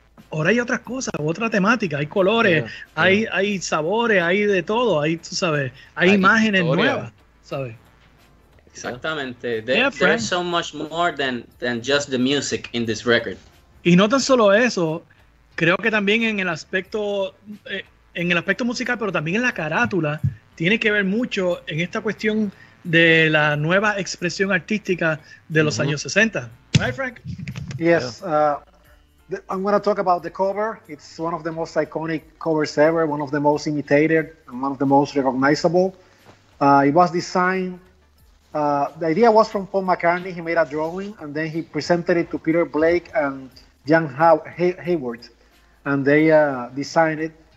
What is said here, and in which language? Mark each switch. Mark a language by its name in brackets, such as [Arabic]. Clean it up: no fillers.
[Spanish] Ahora hay otras cosas, otra temática, hay colores, hay sabores, hay de todo, hay imágenes nuevas, ¿sabes? Exactamente. [English] There's so much more than just the music in this record. [Spanish] Y no tan solo eso, creo que también en el aspecto musical, pero también en la carátula, tiene que ver mucho en esta cuestión de la nueva expresión artística de los años 60. [English] Right, Frank? Yes. I'm going to talk about the cover. It's one of the most iconic covers ever, one of the most imitated, and one of the most recognizable. It was designed... the idea was from Paul McCartney. He made a drawing and then he presented it to Peter Blake and Jan Hayward, and they designed it.